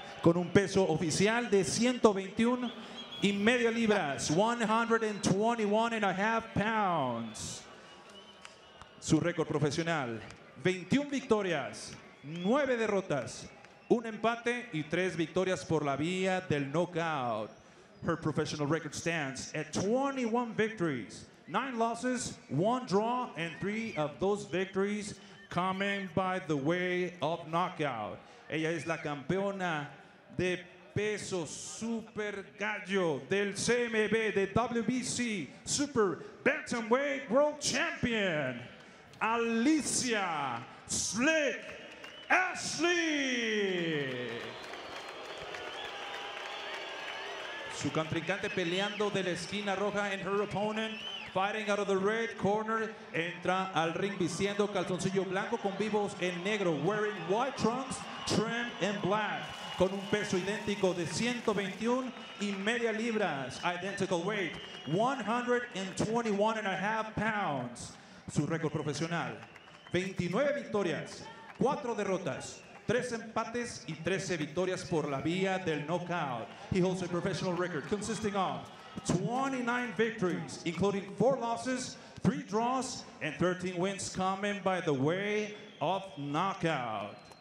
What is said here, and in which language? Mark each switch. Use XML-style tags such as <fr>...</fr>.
<es>Con un peso oficial de 121 y media libras,</es> <en>121 and a half pounds.</en> <es>Su récord profesional, 21 victorias, 9 derrotas, un empate y 3 victorias por la vía del knockout.</es> <en>Her professional record stands at 21 victories, 9 losses, 1 draw, and 3 of those victories coming by the way of knockout.</en> <es>Ella es la campeona de peso super gallo del CMB, de</es> <en>WBC Super Bantamweight World Champion,</en> <es>Alicia Slick Ashley. Su contrincante peleando de la esquina roja,</es> <en>and her opponent fighting out of the red corner,</en> <es>entra al ring vistiendo calzoncillo blanco con vivos en negro,</es> <en>wearing white trunks trimmed in black.</en> <es>Con un peso idéntico de 121 y media libras,</es> <en>identical weight, 121 and a half pounds.</en> <es>Su récord profesional, 29 victorias, 4 derrotas, 3 empates y 13 victorias por la vía del knockout.</es> <en>He holds a professional record consisting of 29 victories, including 4 losses, 3 draws, and 13 wins coming by the way of knockout.</en>